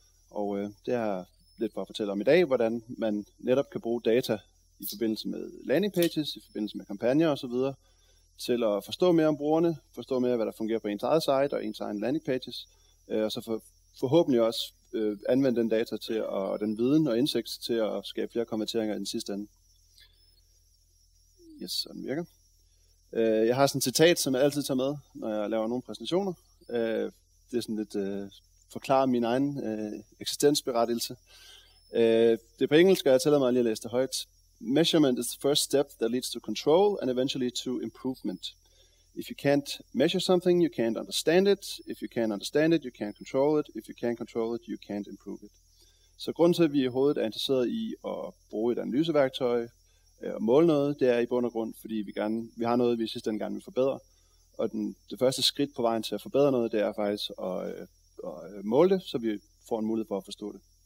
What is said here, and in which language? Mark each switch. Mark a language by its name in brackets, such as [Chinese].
[Danish] Og det har lidt for at fortælle om i dag, hvordan man netop kan bruge data i forbindelse med landing pages, i forbindelse med kampagner osv., til at forstå mere om brugerne, forstå mere, hvad der fungerer på ens eget site og ens egen landing pages, og så forhåbentlig også anvende den data til at, og den viden og indsigt til at skabe flere konverteringer i den sidste ende. Yes, sådan virker. Jeg har sådan et citat, som jeg altid tager med, når jeg laver nogle præsentationer. Det er sådan lidt forklarer min egen eksistensberettigelse. Det er på engelsk, og jeg tæller mig lige at læse det højt. [English] Measurement is the first step that leads to control and eventually to improvement. If you can't measure something, you can't understand it. If you can't understand it, you can't control it. If you can't control it, you can't improve it. [Danish] Så grunden til, at vi i hovedet er interesseret i at bruge et analyseværktøj og måle noget, det er i bund og grund, fordi vi har noget, vi i sidste ende gerne vil forbedre. Og det første skridt på vejen til at forbedre noget, det er faktisk at måle det, så vi får en mulighed for at forstå det.